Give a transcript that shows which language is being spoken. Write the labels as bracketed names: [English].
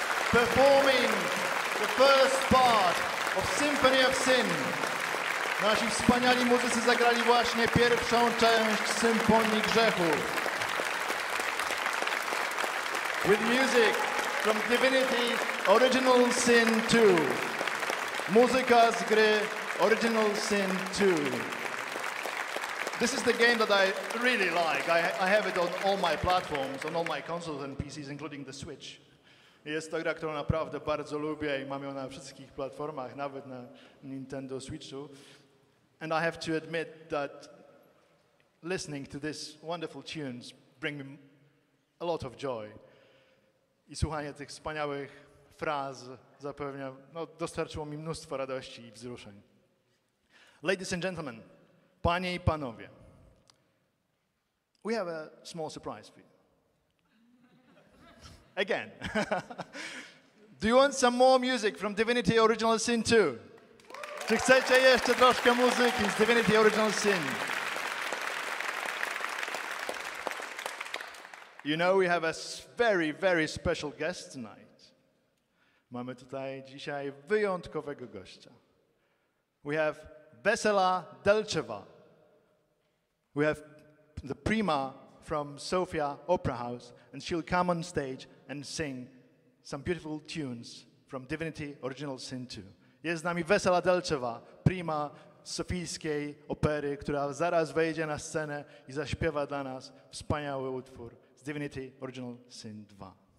[English] Performing the first part of Symphony of Sin. [Polish] Nasi wspaniali muzycy zagrali właśnie pierwszą część Symfonii Grzechu. [English] With music from Divinity Original Sin 2. [Polish] Muzyka z gry Original Sin 2. [English] This is the game that I really like. I have it on all my platforms, on all my consoles and PCs, including the Switch. [Polish] Jest to gra, którą naprawdę bardzo lubię i mam ją na wszystkich platformach, nawet na Nintendo Switchu. [English] And I have to admit that listening to this wonderful tunes bring me a lot of joy. [Polish] I słuchanie tych wspaniałych fraz zapewnia, no, dostarczyło mi mnóstwo radości i wzruszeń. [English] Ladies and gentlemen, [Polish] panie i panowie, [English] we have a small surprise for you. Again. Do you want some more music from Divinity Original Sin 2? [Polish] Czy chcecie jeszcze troszkę muzyki z Divinity Original Sin? [English] You know, we have a very, very special guest tonight. [Polish] Mamy tutaj dzisiaj wyjątkowego gościa. [English] We have Wesela Delczewa. We have the prima from Sofia Opera House, and she'll come on stage and sing some beautiful tunes from Divinity Original Sin 2. [Polish] Jest z nami Wesela Delczewa, prima sofijskiej opery, która zaraz wejdzie na scenę i zaśpiewa dla nas wspaniały utwór z Divinity Original Sin 2.